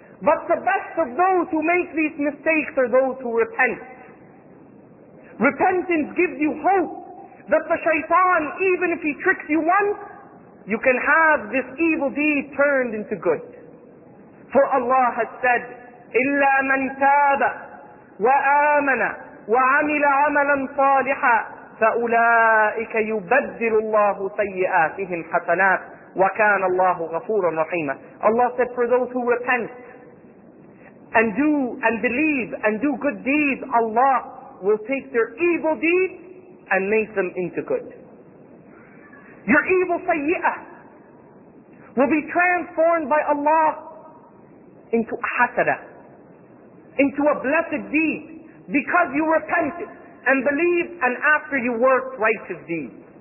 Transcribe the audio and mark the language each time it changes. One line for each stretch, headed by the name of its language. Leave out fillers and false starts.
English: But the best of those who make these mistakes are those who repent. Repentance gives you hope that the shaitan, even if he tricks you once, you can have this evil deed turned into good. For Allah has said,
Arabic: إِلَّا مَنْ تَابَ وآمن وعمل عملا صالحا فأولئك يبدل الله سيئاتهم حسنات وكان الله غفورا رحيما.
English: Allah said, for those who repent and do and believe and do good deeds, Allah will take their evil deeds and make them into good. Your evil sayyi'ah will be transformed by Allah into a hasada, into a blessed deed, because you repented and believed and after you worked righteous deeds.